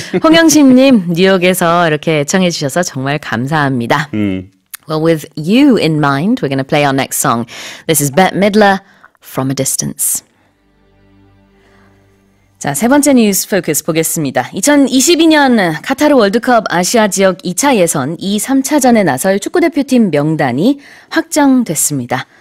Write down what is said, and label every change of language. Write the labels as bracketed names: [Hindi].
[Korean] 홍영심님, 뉴욕에서 이렇게 청해 주셔서 정말 감사합니다. [English] Well, with you in mind, we're going to play our next song. This is Bette Midler, From a Distance. [Korean] 자, 세 번째 뉴스 포커스 보겠습니다. 2022년 카타르 월드컵 아시아 지역 2차 예선 2-3차전에 나설 축구대표팀 명단이 확정됐습니다.